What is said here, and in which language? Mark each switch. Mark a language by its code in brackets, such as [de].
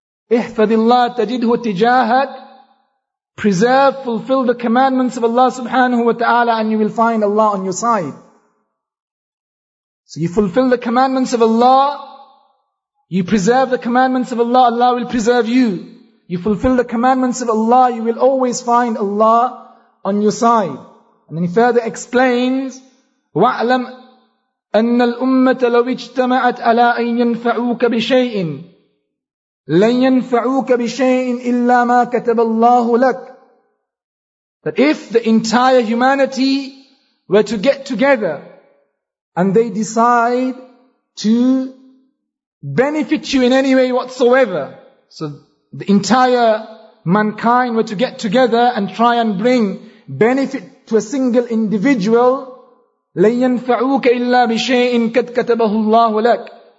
[ar] Ihfadillah tajidhu tijahak, [en] preserve, fulfill the commandments of Allah subhanahu wa ta'ala, and you will find Allah on your side. So you fulfill the commandments of Allah, you preserve the commandments of Allah, Allah will preserve you. You fulfill the commandments of Allah, you will always find Allah on your side. And then he further explains, [ar] وَعْلَمْ أَنَّ الْأُمَّةَ لَوِ اجْتَمَعَتْ عَلَىٰ أَن يَنْفَعُوكَ بِشَيْءٍ لن ينفعوك بشيء إلا ما كتب الله لك. [en] That if the entire humanity were to get together and they decide to benefit you in any way whatsoever, so the entire mankind were to get together and try and bring benefit to a single individual, [ar] لَن يَنْفَعُوكَ إِلَّا بِشَيْءٍ كَدْ كَتَبَهُ اللَّهُ لَكَ.